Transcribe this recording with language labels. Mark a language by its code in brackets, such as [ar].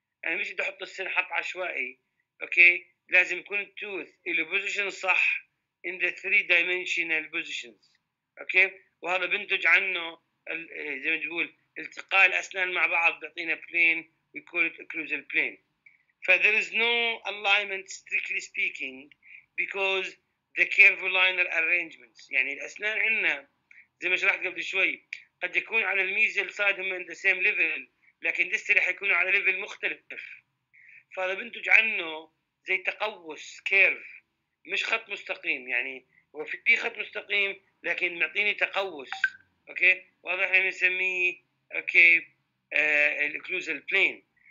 [ar] انا مش بدي احط السن حط عشوائي، اوكي؟ لازم يكون التوث اللي بوزيشن صح [en] in the three dimensional positions، [ar] اوكي؟ وهذا بينتج عنه زي ما تقول التقاء الاسنان مع بعض بيعطينا [en] Plane we call it occlusal plane. But there is no alignment strictly speaking because the curved liner arrangements. [ar] يعني الأسنان عندنا زي ما شرحت قبل شوي قد يكون على الميزل سايد هم [en] in the same level [ar] لكن ديستري حيكون على level مختلف، فهذا بنتج عنه زي تقوس curve مش خط مستقيم. يعني هو في خط مستقيم لكن معطيني تقوس، اوكي؟ وهذا احنا نسميه اوكي الاكلوزال بلين.